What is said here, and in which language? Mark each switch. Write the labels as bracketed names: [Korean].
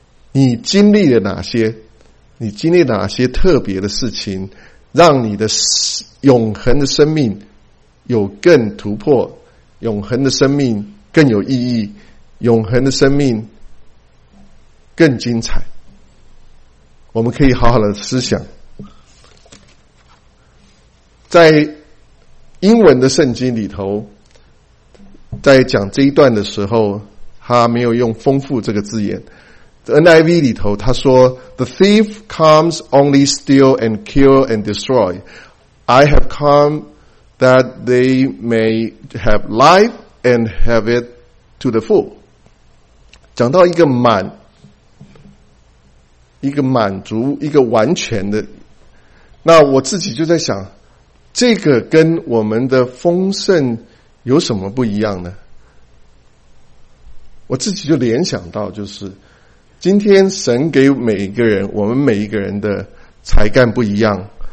[Chinese] 你经历了哪些？你经历哪些特别的事情，让你的永恒的生命有更突破，永恒的生命更有意义，永恒的生命更精彩？我们可以好好的思想。在英文的圣经里头，在讲这一段的时候，他没有用丰富这个字眼。 [English] NIV [Chinese] 里头他说 [English] The thief comes only steal and kill and destroy. I have come that they may have life and have it to the full. [Chinese] 讲到一个满足，一个完全的，那我自己就在想，这个跟我们的丰盛有什么不一样呢？我自己就联想到，就是今天神给每一个人，我们每一个人的才干不一样。